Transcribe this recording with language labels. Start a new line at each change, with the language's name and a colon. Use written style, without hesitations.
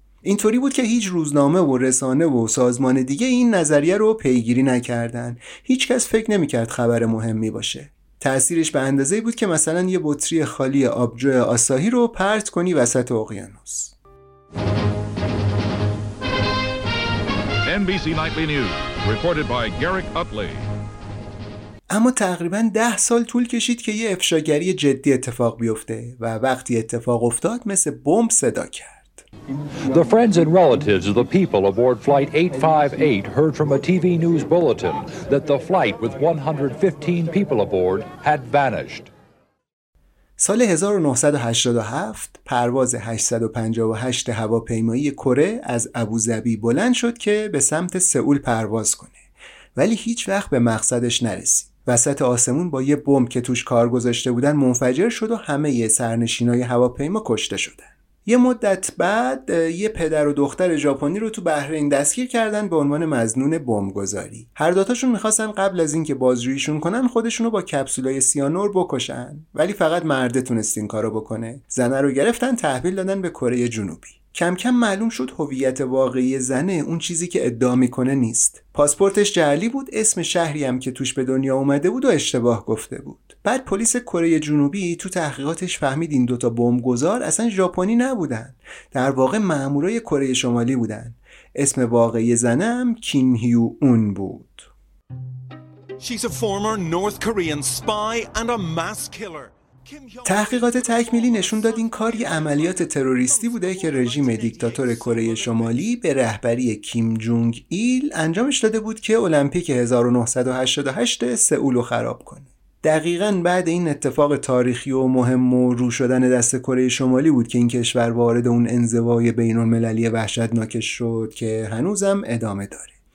Persian: اینطوری بود که هیچ روزنامه و رسانه و سازمان دیگه این نظریه رو پیگیری نکردن. هیچ کس فکر نمیکرد خبر مهمی باشه. تأثیرش به اندازه بود که مثلا یه بطری خالی آبجو آساهی رو پرت کنی وسط اقیانوس.
English: NBC Nightly News, reported by Garrick Upley.
Persian: اما تقریباً 10 سال طول کشید که یه افشاگری جدی اتفاق بیفته و وقتی اتفاق افتاد مثل بمب صدا کرد.
English: The friends and relatives of the people aboard flight 858 heard from a TV news bulletin that the flight with 115 people aboard had vanished.
Persian: سال 1987 پرواز 858 هواپیمایی کره از ابوظبی بلند شد که به سمت سئول پرواز کنه، ولی هیچ وقت به مقصدش نرسید. وسط آسمون با یه بمب که توش کار گذاشته بودن منفجر شد و همه یه سرنشینای هواپیما کشته شدن. یه مدت بعد یه پدر و دختر ژاپنی رو تو بحرین دستگیر کردن به عنوان مظنون بمبگذاری. هر دوتاشون میخواستن قبل از این که بازجوییشون کنن خودشونو با کپسولای سیانور بکشن، ولی فقط مرده تونست این کارو بکنه. زنه رو گرفتن تحویل دادن به کره جنوبی. کم کم معلوم شد هویت واقعی زنه اون چیزی که ادعا میکنه نیست. پاسپورتش جعلی بود، اسم شهری هم که توش به دنیا اومده بود و اشتباه گفته بود. بعد پلیس کره جنوبی تو تحقیقاتش فهمید این دوتا بمبگذار اصلا ژاپنی نبودن، در واقع مامورای کره شمالی بودن. اسم واقعی زنه هم کیم هیو اون بود.
English: She's a former North Korean spy and a mass killer.
Persian: تحقیقات تکمیلی نشون داد این کار یه عملیات تروریستی بوده که رژیم دیکتاتور کره شمالی به رهبری کیم جونگ ایل انجامش داده بود که المپیک 1988 سئول رو خراب کنه. دقیقاً بعد این اتفاق تاریخی و مهم و رو شدن دست کره شمالی بود که این کشور وارد اون انزوای بین‌المللی وحشتناکش شد که هنوزم ادامه داره.